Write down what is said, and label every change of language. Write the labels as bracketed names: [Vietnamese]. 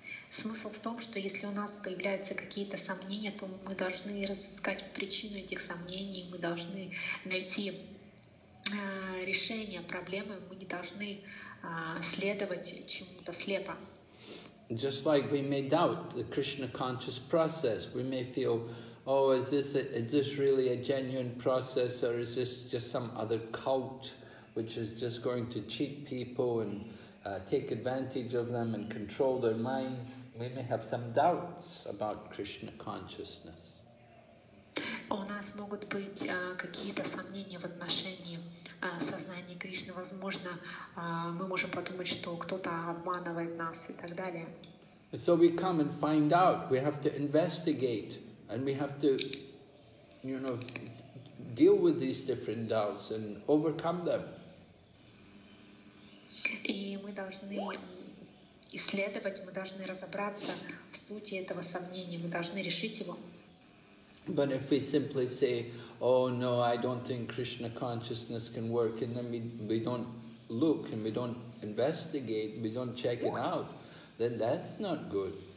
[Russian] Смысл в том, что если у нас появляются какие-то сомнения, то мы должны разыскать причину этих сомнений, мы должны найти решение проблемы, мы не должны следовать чему-то слепо. [English] Just like we may doubt the Krishna conscious process, we may feel, oh, is this really a genuine process, or is this just some other cult which is just going to cheat people and take advantage of them and control their minds? We may have some doubts about Krishna consciousness. [Russian] У нас могут быть какие-то сомнения в отношении сознания Кришны. Возможно, мы можем подумать, что кто-то обманывает нас и так далее. [English] So we come and find out. We have to investigate. And we have to, you know, deal with these different doubts and overcome them. [Russian] И мы должны исследовать, мы должны разобраться в сути этого сомнения. Мы должны решить его. [English] But if we simply say, oh no, I don't think Krishna consciousness can work, and then we don't look and we don't investigate, we don't check it out, then that's not good.